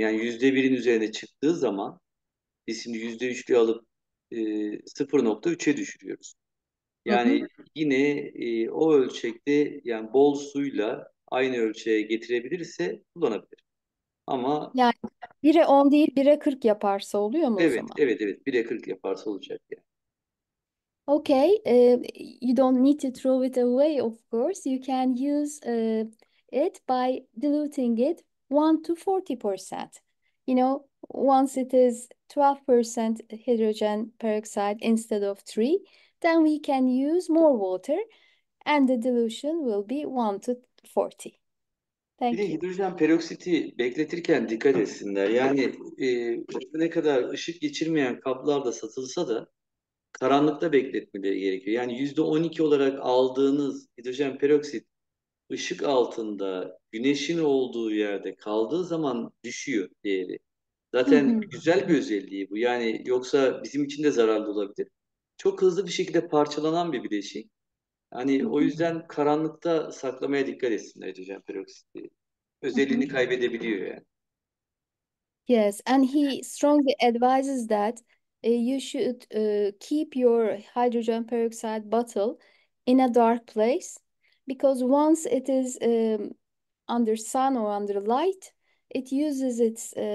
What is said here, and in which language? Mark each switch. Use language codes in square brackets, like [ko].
[tr] Yani %1'in üzerine çıktığı zaman biz şimdi %3'lüğü alıp 0,3'e düşürüyoruz. Yani yine o ölçekte yani bol suyla aynı ölçeğe getirebilirse kullanabilir. Ama Yani 1'e 10 değil 1'e 40 yaparsa oluyor mu o evet, zaman? evet, evet. 1'e 40 yaparsa olacak yani. [en] Okay, you don't need to throw it away, of course. You can use it by diluting it 1 to 40%. You know, once it is 12% hydrogen peroxide instead of 3, then we can use more water and the dilution will be 1 to 40. [tr] Bir de [en] Thank you. [tr] hidrojen peroksiti bekletirken dikkat etsinler. Yani ne kadar ışık geçirmeyen kaplarda satılsa da karanlıkta bekletmeleri gerekiyor. Yani %12 olarak aldığınız hidrojen peroksit ışık altında güneşin olduğu yerde kaldığı zaman düşüyor değeri. Zaten güzel bir özelliği bu. Yani yoksa bizim için de zararlı olabilir. Çok hızlı bir şekilde parçalanan bir bileşik. Hani o yüzden karanlıkta saklamaya dikkat etsinler hidrojen peroksiti. Özelliğini kaybedebiliyor yani. [en] Yes, and he strongly advises that you should keep your hydrogen peroxide bottle in a dark place because once it is under sun or under light, it uses its